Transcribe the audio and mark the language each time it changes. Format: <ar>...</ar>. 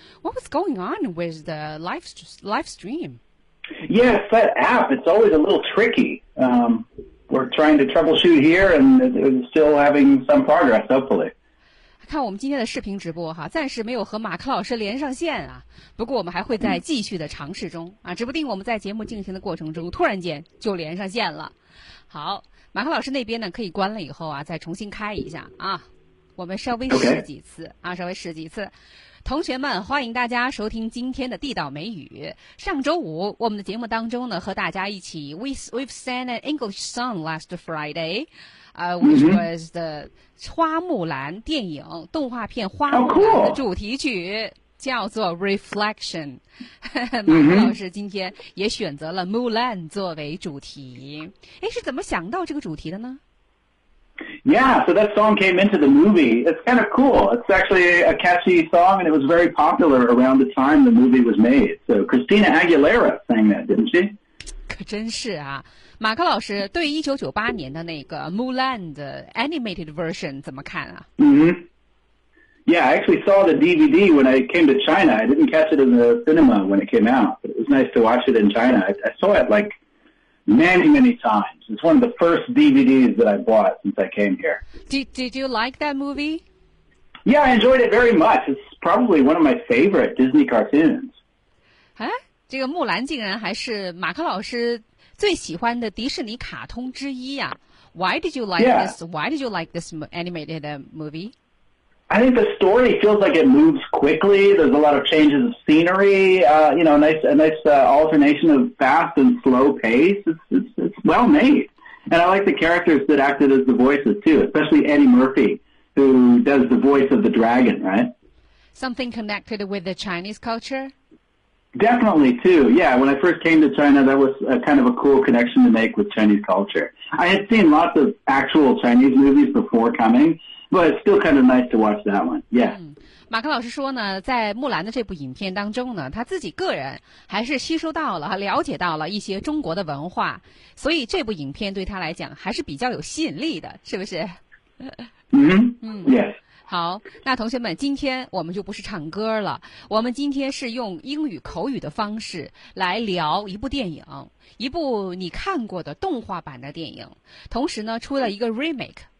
<en>What was going on with the live stream? Yes, that app, it's always a little tricky. We're trying to troubleshoot here and still having some progress, hopefully.</en> <zh>看我们今天的视频直播哈，暂时没有和马克老师连上线啊，不过我们还会在继续的尝试中啊，指不定我们在节目进行的过程中突然间就连上线了。好，马克老师那边呢可以关了以后啊再重新开一下啊，我们稍微试几次、</zh> <en>okay.</en> <zh>啊，稍微试几次。同学们，欢迎大家收听今天的地道美语。上周五我们的节目当中呢，和大家一起</zh> <en>we've sang an English song last Friday, which was the</en> <zh>花木兰电影动画片花木兰的主题曲、</zh> <en>oh, cool.</en> <zh>叫做 Reflection。马克老师今天也选择了 Mulan 作为主题，诶，是怎么想到这个主题的呢？</zh> <en>Yeah, so that song came into the movie. It's kind of cool. It's actually a catchy song, and it was very popular around the time the movie was made. So Christina Aguilera sang that, didn't she? 可真是啊，马克老师对1998年的那个 Mulan 的 animated version 怎么看啊？ Yeah, I actually saw the DVD when I came to China. I didn't catch it in the cinema when it came out, but it was nice to watch it in China. I saw it like... Many, many times. It's one of the first DVDs that I bought since I came here. Did you like that movie? Yeah, I enjoyed it very much. It's probably one of my favorite Disney cartoons.</en> <zh>啊，这个木兰竟然还是马克老师最喜欢的迪士尼卡通之一啊。</zh> <en>Why did you like this? Why did you like this animated movie? I think the story feels like it moves quickly. There's a lot of changes of scenery, you know, a nice alternation of fast and slow pace. It's well made. And I like the characters that acted as the voices, too, especially Eddie Murphy, who does the voice of the dragon, right? Something connected with the Chinese culture? Definitely, too. Yeah, when I first came to China, that was a kind of a cool connection to make with Chinese culture. I had seen lots of actual Chinese movies before coming, but it's still kind of nice to watch that one. Yeah. Mm.</en> <zh>马克老师说呢，在木兰的这部影片当中呢，他自己个人还是吸收到了、了解到了一些中国的文化，所以这部影片对他来讲还是比较有吸引力的，是不是？</zh> <en>Yes.</en> <zh>好，那同学们，今天我们就不是唱歌了，我们今天是用英语口语的方式来聊一部电影，一部你看过的动画版的电影，同时呢，出了一个 remake。</zh>